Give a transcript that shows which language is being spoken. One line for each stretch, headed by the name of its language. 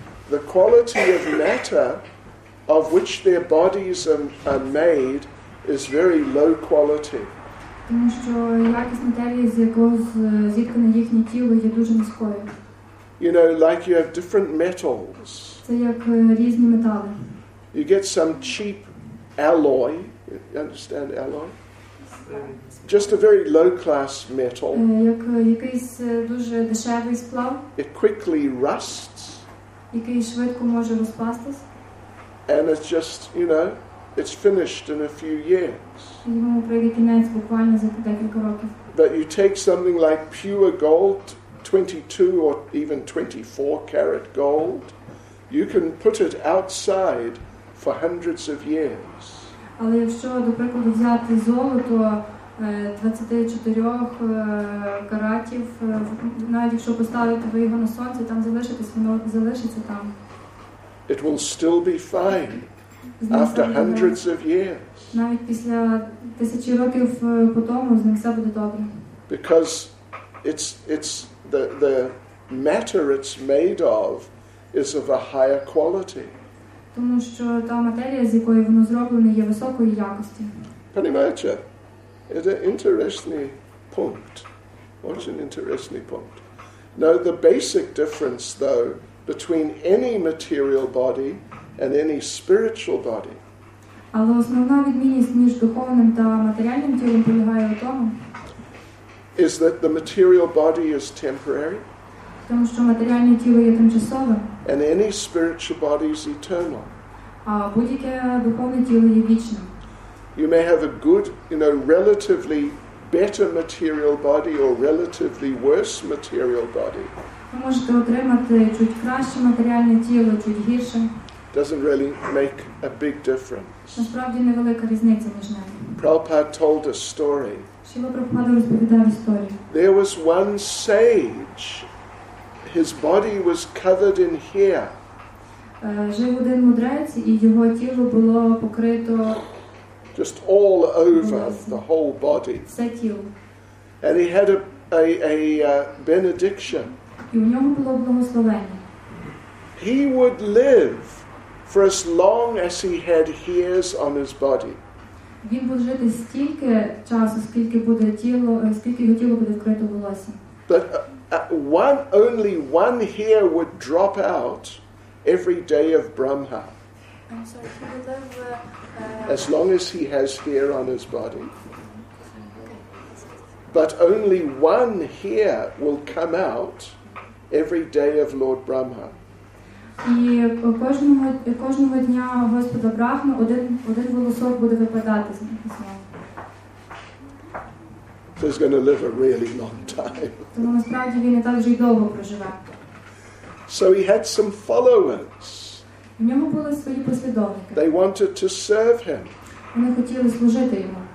English: The quality of matter of which their bodies are made is very low quality.
Ukrainian: Тому що якість матерії, з якої зіткане їхнє тіло, є дуже низькою.
English: You know, like you have different metals.
Ukrainian: Це як різні метали.
English: You get some cheap alloy. You understand alloy? Just a very low-class metal.
Ukrainian: Як якийсь дуже дешевий сплав.
English: It quickly rusts.
Ukrainian: Який швидко може розпастись.
English: And it's just, you know, it's finished in a few years.
Ukrainian: Йому прийде кінець буквально за декілька років.
English: But you take something like pure gold, 22 or even 24 carat gold, you can put it outside for hundreds of years.
Ukrainian: Але якщо, до прикладу, взяти золото 24 каратів, навіть якщо поставити ви його на сонце, там залишитись, воно залишиться там.
English: It will still be fine after hundreds of years.
Ukrainian: Навіть після тисячі років по тому з них все буде добре.
English: Because it's the matter it's made of is of a higher quality.
Ukrainian: Тому що та матерія, з якої воно зроблене, є високої якості.
Russian: Понимаете? Это интересный пункт. Очень интересный пункт.
English: Now, the basic difference, though, between any material body and any spiritual body.
Ukrainian: Але основна відмінність між духовним та матеріальним тілом полягає у тому,
English: is that the material body is temporary.
Ukrainian: Тому що матеріальне тіло є тимчасовим.
English: And any spiritual body is eternal.
Ukrainian: А будь-яке духовне тіло є вічним.
English: You may have a good, you know, relatively better material body or relatively worse material body.
Ukrainian: Ви можете отримати чуть краще матеріальне тіло, чуть гірше.
English: Doesn't really make a big difference.
Ukrainian: Насправді невелика різниця між нами.
English: Prabhupada told a story.
Ukrainian: Шіла Прабхупада розповідав історію.
English: There was one sage. His body was covered in hair.
Ukrainian: Жив один мудрець, і його тіло було покрито
English: just all over the whole body.
Ukrainian: Все тіло.
English: And he had a benediction.
Ukrainian: І у нього було благословення.
English: He would live for as long as he had hairs on his body. Він буде жити стільки часу, скільки буде тіло, скільки його тіло буде вкрито волоссям. But only one hair would drop out every day of Brahma. I'm sorry, he would live as long as he has hair on his body. But only one hair will come out every day of Lord Brahma.
Ukrainian: І кожного дня Господа Брахми один волосок буде випадати з нього.
English: He's going to live a really long time.
Ukrainian: Тому насправді він і так вже й довго проживе.
English: So he had some followers.
Ukrainian: У нього були свої послідовники.
English: They wanted to serve him.
Ukrainian: Вони хотіли служити йому.